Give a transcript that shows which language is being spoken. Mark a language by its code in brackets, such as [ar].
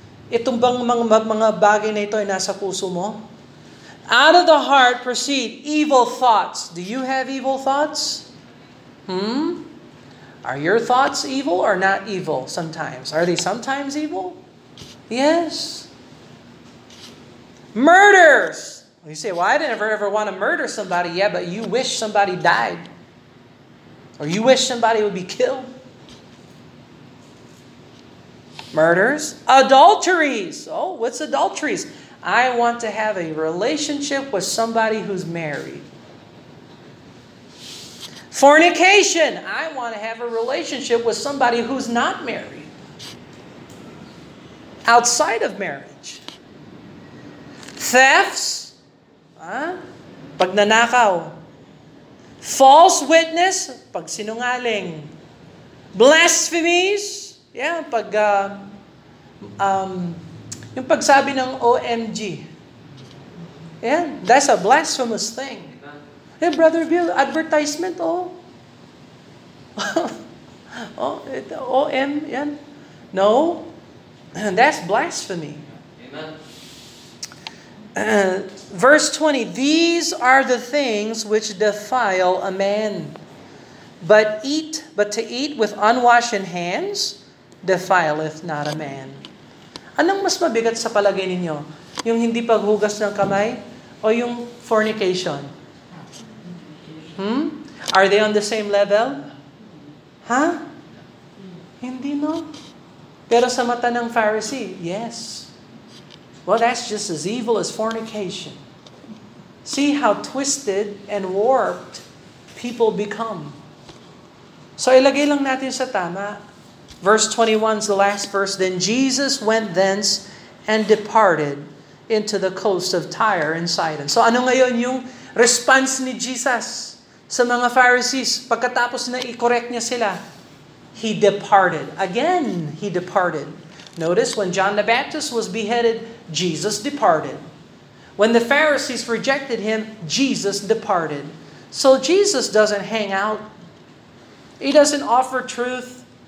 [tl] Itong bang mga bagay na ito ay nasa puso mo? [en] Out of the heart proceed evil thoughts. Do you have evil thoughts? Are your thoughts evil or not evil sometimes? Are they sometimes evil? Yes. Murders. You say, well, I didn't ever want to murder somebody. Yeah, but you wish somebody died. Or you wish somebody would be killed. Murders. Adulteries. Oh, what's adulteries? I want to have a relationship with somebody who's married. Fornication. I want to have a relationship with somebody who's not married. Outside of marriage. Thefts. Pagnanakaw. False witness. Pagsinungaling. Blasphemies. [tl] Yeah, yung pagsabi ng OMG. [en] Yeah, that's a blasphemous thing. Hey, Brother Bill, advertisement, oh. Oh, it, OM, yan. Yeah. No, that's blasphemy. Verse 20, these are the things which defile a man. But to eat with unwashed hands, defileth not a man. [tl] Anong mas mabigat sa palagay ninyo? Yung hindi paghugas ng kamay o yung fornication? [en] Are they on the same level? [tl] Hindi, no? Pero sa mata ng Pharisee, yes. [en] Well, that's just as evil as fornication. See how twisted and warped people become. [tl] So ilagay lang natin sa tama. [en] Verse 21 is the last verse. Then Jesus went thence and departed into the coast of Tyre and Sidon. [tl] So ano ngayon yung response ni Jesus sa mga Pharisees pagkatapos na i-correct niya sila? [en] He departed. Again, he departed. Notice when John the Baptist was beheaded, Jesus departed. When the Pharisees rejected him, Jesus departed. So Jesus doesn't hang out. He doesn't offer truth.